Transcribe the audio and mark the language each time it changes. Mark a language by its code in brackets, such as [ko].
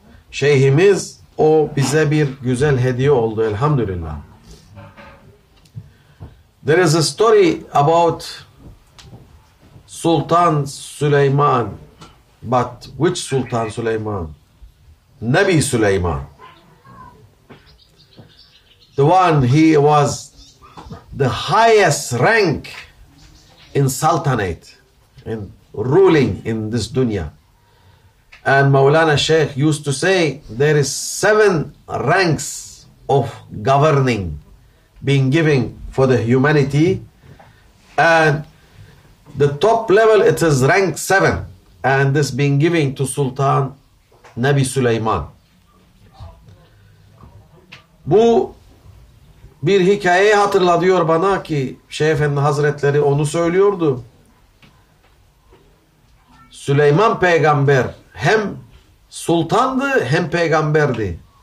[tr] Şeyhimiz o bize bir güzel hediye oldu elhamdülillah. [en] There is a story about Sultan Süleyman, but which Sultan Süleyman? Nebi Süleyman. The one, he was the highest rank in sultanate, in ruling in this dunya. And Maulana Sheikh used to say, there is 7 ranks of governing being given for the humanity. And the top level, it is rank 7. And this being given to Sultan Nebi Süleyman. [tr] Bu bir hikayeyi hatırlatıyor bana ki Şeyhefendi Hazretleri onu söylüyordu. Süleyman peygamber hem sultandı hem peygamberdi.